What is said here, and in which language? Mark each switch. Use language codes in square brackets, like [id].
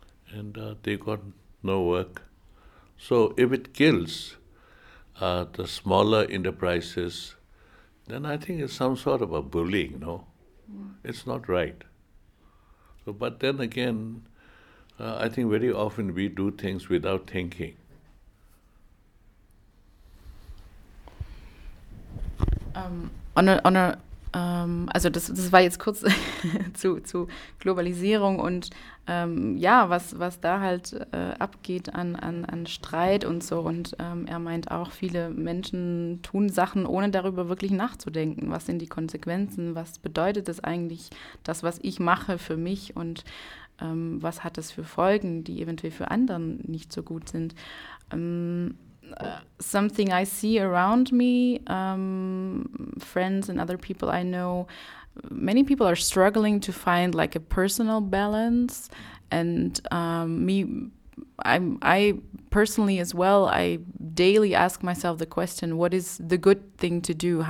[en] And they got no work. So if it kills the smaller enterprises, then I think it's some sort of a bullying, no? Yeah. It's not right. So, but then again, I think very often we do things without thinking. [de] Also das war jetzt kurz zu Globalisierung und was da halt abgeht an Streit und so. Und er meint auch, viele Menschen tun Sachen, ohne darüber wirklich nachzudenken. Was sind die Konsequenzen? Was bedeutet das eigentlich, das, was ich mache für mich? Und was hat das für Folgen, die eventuell für anderen nicht so gut sind? [en] Something I see around me, friends and other people I know, many people are struggling to find like a personal balance, and I personally as well, I daily ask myself the question, what is the good thing to do?